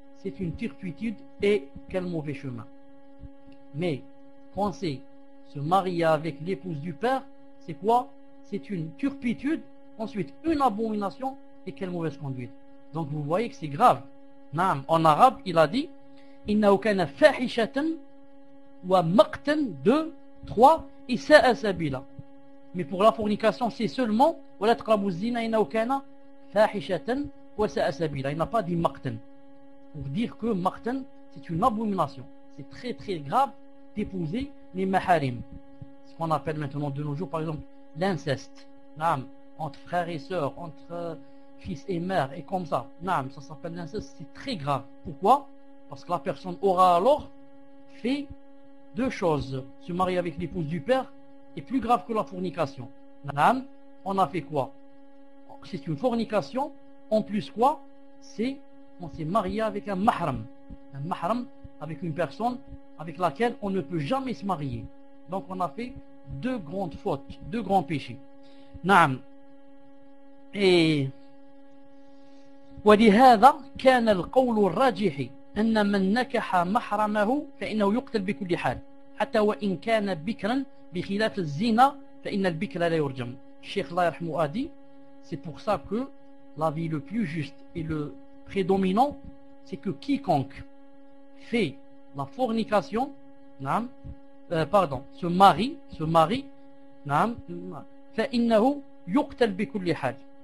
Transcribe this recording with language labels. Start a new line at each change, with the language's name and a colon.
French: c'est une turpitude et quel mauvais chemin. Mais penser se marier avec l'épouse du père, c'est quoi? C'est une turpitude, ensuite une abomination et quelle mauvaise conduite. Donc vous voyez que c'est grave. Naam, en arabe, il a dit
Arabic: إِنَّهُ كَانَ فَاحِشَةً وَمَقْتًا
French: 2, 3 et
Arabic: سَاءَ سَبِيلًا.
French: Mais pour la fornication, c'est seulement
Arabic: وَلَتْقَبُ الزِّنَا إِنَّهُ كَانَ فَاحِشَةً وَسَاءَ سَبِيلًا.
French: Il n'a pas dit مَقْتًا. Pour dire que مَقْتًا, c'est une abomination. C'est très très grave d'épouser les maharim. Ce qu'on appelle maintenant de nos jours, par exemple, l'inceste. Naam, entre frères et sœurs, entre fils et mère, et comme ça. Naam, ça s'appelle l'inceste. C'est très grave. Pourquoi? Parce que la personne aura alors fait deux choses. Se marier avec l'épouse du père est plus grave que la fornication. Naam, on a fait quoi? C'est une fornication. En plus quoi? C'est, on s'est marié avec un mahram. Un mahram avec une personne avec laquelle on ne peut jamais se marier. Donc on a fait deux grandes fautes, deux grands péchés. Naam.
Arabic: Et ولهذا كان القول الراجح أن من نكح محرمه فإنه يقتل بكل حال حتى وإن كان بكرا بخلاف الزنا فإن البكر لا يرجم. الشيخ الله يرحمه
French: a dit, c'est pour ça que l'avis le plus juste et le prédominant, c'est que quiconque fait la fornication, se marie,
Arabic: فإنه يقتل بكل حال.